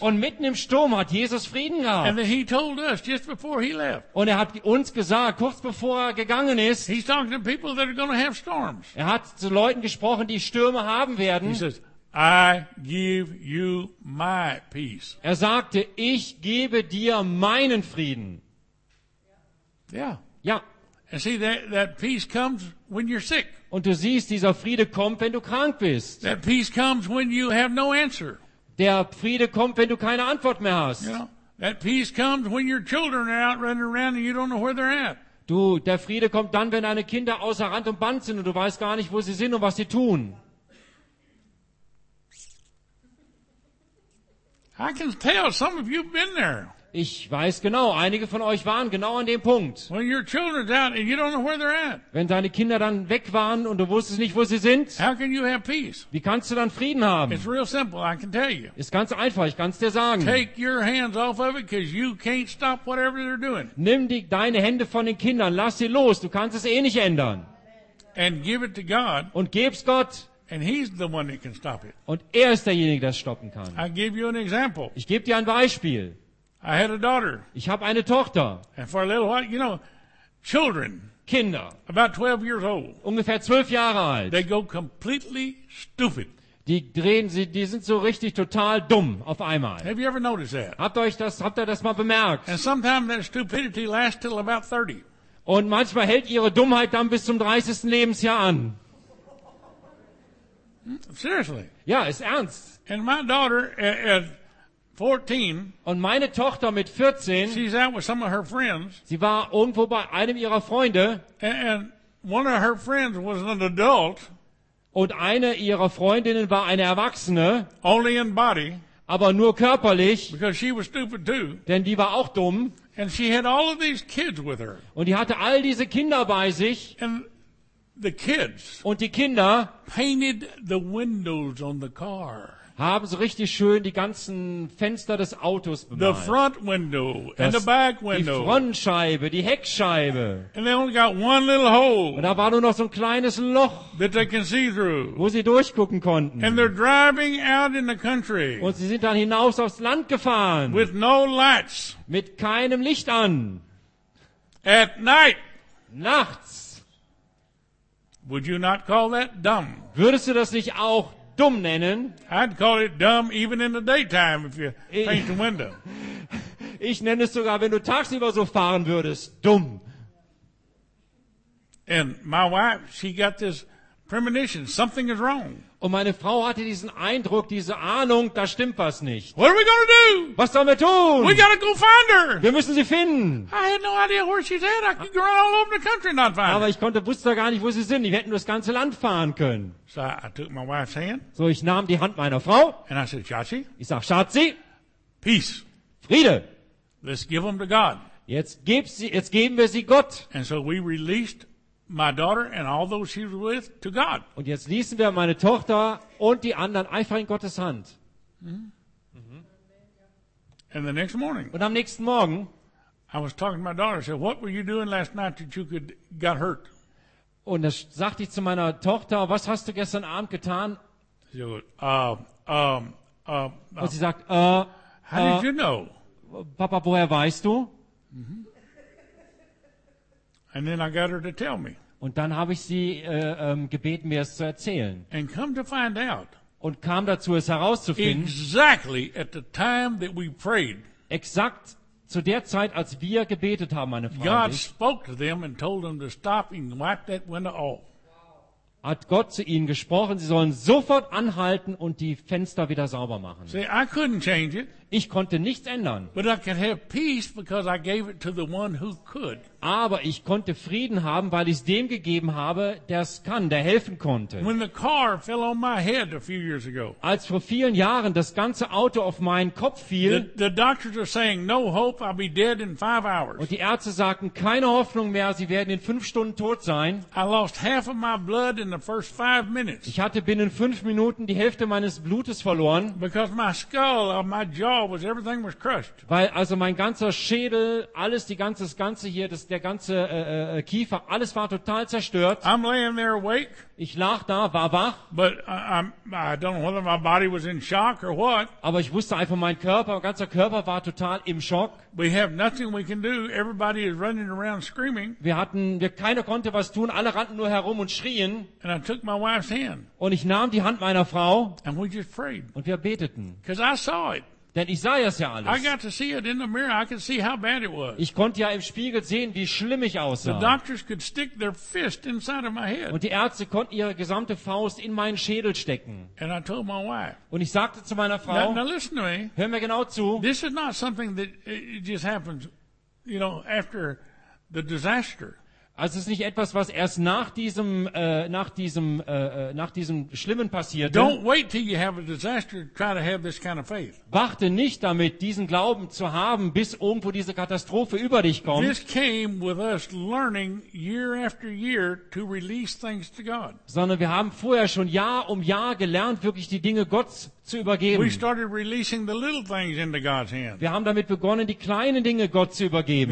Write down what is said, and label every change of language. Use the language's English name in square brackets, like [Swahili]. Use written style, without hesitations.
[German] Und mitten im Sturm hat Jesus Frieden gehabt. [English] And he told us just before he left. [German] Und hat uns gesagt, kurz bevor gegangen ist. [English] He's talking to people that are going to have storms. [German] Hat zu Leuten gesprochen, die Stürme haben werden. [English] He says, I give you my peace. [German] Sagte, ich gebe dir meinen Frieden. [English] Yeah. [German] Ja. [English] And see, that peace comes when you're sick. [German] Und du siehst, dieser Friede kommt, wenn du krank bist. [English] That peace comes when you have no answer. [German] Der Friede kommt, wenn du keine Antwort mehr hast. [English] You know? That peace comes when your children are out running around and you don't know where they're at. [German] Du, der Friede kommt dann, wenn deine Kinder außer Rand und Band sind und du weißt gar nicht, wo sie sind und was sie tun. [English] I can tell some of you have been there. [German] Ich weiß genau, einige von euch waren genau an dem Punkt. [English] When your children are out and you don't know where they're at. [German] Wenn deine Kinder dann weg waren und du wusstest nicht, wo sie sind. [English] How can you have peace? [German] Wie kannst du dann Frieden haben? [English] It's real simple, I can tell you. [German] Ist ganz einfach, ich kann es dir sagen. [English] Take your hands off of it because you can't stop whatever they're doing. [German] Nimm deine Hände von den Kindern, lass sie los, du kannst es eh nicht ändern. [English] And give it to God. [German] Und gib's Gott. [English] And he's the one that can stop it. [German] Und ist derjenige, der stoppen kann. [English] I give you an example. [German] Ich gebe dir ein Beispiel. [English] I had a daughter. [German] Ich habe eine Tochter. [English] And for a little while, you know, children. [German] Kinder. [English] About 12 years old. [German] Ungefähr 12 Jahre alt. [English] They go completely stupid. [German] Die sind so richtig total dumm auf einmal. [English] Have you ever noticed that? [German] Habt ihr das mal bemerkt? [English] And sometimes that stupidity lasts till about 30. [German] Und manchmal hält ihre Dummheit dann bis zum 30. Lebensjahr an. [English] Seriously. [German] Ja, ist ernst. [English] And my daughter at 14. [German] Und meine Tochter mit 14. [English] She's out with some of her friends. [German] Sie war irgendwo bei einem ihrer Freunde. [English] And one of her friends was an adult. [German] Und eine ihrer Freundinnen war eine Erwachsene. [English] Only in body. [German] Aber nur körperlich. [English] Because she was stupid too. [German] Denn die war auch dumm. [English] And she had all of these kids with her. [German] Und die hatte all diese Kinder bei sich. [English] And the kids [German] und die Kinder [English] painted the windows on the car. [German] Haben so richtig schön die ganzen Fenster des Autos bemalt. [English] The front window and the back window. [German] Die Frontscheibe, die Heckscheibe. [English] And they only got one little hole. [German] Und da war nur noch so ein kleines Loch, [English] that they can see through. [German] Wo sie durchgucken konnten. [English] And they're driving out in the country. [German] Und sie sind dann hinaus aufs Land gefahren. [English] With no lights. [German] Mit keinem Licht an. [English] At night. [German] Nachts. [English] Would you not call that dumb? [German] Würdest du das nicht auch dumm nennen? [English] I'd call it dumb even in the daytime if you paint the window. [German] Ich nenne es sogar, wenn du tagsüber so fahren würdest, dumm. [English] And my wife, she got this premonition, something is wrong. [German] Und meine Frau hatte diesen Eindruck, diese Ahnung, da stimmt was nicht. [English] What are we gonna do? [German] Was sollen wir tun? [English] We gotta go find her. [German] Wir müssen sie finden. [English] I had no idea where she's at. I could run all over the country and not find her. [German] Aber ich konnte, wusste gar nicht, wo sie sind. Wir hätten nur das ganze Land fahren können. [English] So I took my wife's hand. [German] So ich nahm die Hand meiner Frau. [English] And I said, Schatzi. [German] Ich sag, Schatzi. [English] Peace. [German] Friede. [English] Let's give them to God. [German] Jetzt geben wir sie Gott. [English] And so we released my daughter and all those she was with to God. [German] Und jetzt ließen wir meine Tochter und die anderen einfach in Gottes Hand. [English] And the next morning. [German] Und am nächsten Morgen. [English] I was talking to my daughter. I said, "What were you doing last night that you could got hurt?" [German] Und da sagte ich zu meiner Tochter, was hast du gestern Abend getan? [English] She goes, [German] Und sie sagt, [English] How did you know? [German] Papa, woher weißt du? [English] And then I got her to tell me. [German] Und dann habe ich sie gebeten, mir es zu erzählen. [English] And come to find out. [German] Und kam dazu, es herauszufinden. [English] Exactly at the time that we prayed. [German] Exakt zu der Zeit, als wir gebetet haben, meine Frau. [English] God spoke to them and told them to stop and wipe that window off. [German] Hat Gott zu ihnen gesprochen, sie sollen sofort anhalten und die Fenster wieder sauber machen. [English] See, I couldn't change it. [German] Ich konnte nichts ändern. [English] But I could have peace because I gave it to the one who could. [German] Aber ich konnte Frieden haben, weil ich es dem gegeben habe, der es kann, der helfen konnte. [English] When the car fell on my head a few years ago. [German] Als vor vielen Jahren das ganze Auto auf meinen Kopf fiel. [English] The doctors are saying no hope, I'll be dead in 5 hours. [German] Und die Ärzte sagten keine Hoffnung mehr, sie werden in 5 Stunden tot sein. [English] I lost half of my blood in the first 5 minutes. [German] Ich hatte binnen 5 Minuten die Hälfte meines Blutes verloren. [English] Because my skull or my jaw. Was everything was crushed. [German] Weil also mein ganzer Schädel, alles, die ganze, das ganze hier, das, der ganze Kiefer, alles war total zerstört. [English] I'm laying there awake. [German] Ich lag da, war wach. [English] But I don't know whether my body was in shock or what. [German] Aber ich wusste einfach, mein Körper, mein ganzer Körper war total im Schock. [English] We have nothing we can do. Everybody is running around screaming. [German] Keiner konnte was tun. Alle rannten nur herum und schrien. [English] And I took my wife's hand. [German] Und ich nahm die Hand meiner Frau. [English] And we just prayed. [German] Und wir beteten. [English] Because I saw it. [German] Denn ich sah es ja alles. [English] I got to see it in the mirror. I could see how bad it was. [German] Ich konnte ja im Spiegel sehen, wie schlimm ich aussah. [English] The doctors could stick their fist inside of my head. [German] Und die Ärzte konnten ihre gesamte Faust in meinen Schädel stecken. [English] And I told my wife. [German] Und ich sagte zu meiner Frau. [English] Now listen to me. [German] Hör mir genau zu. [English] This is not something that just happens, you know, after the disaster. [German] Also es ist nicht etwas, was erst nach diesem Schlimmen passiert. [English] Don't wait till you have a disaster to try to have this kind of faith. [German] Warte nicht damit, diesen Glauben zu haben, bis irgendwo diese Katastrophe über dich kommt. [English] This came with us learning year after year to release things to God. [German] Sondern wir haben vorher schon Jahr um Jahr gelernt, wirklich die Dinge Gottes zu übergeben. [English] We started releasing the little things into God's hands. [German] Wir haben damit begonnen, die kleinen Dinge Gott zu übergeben.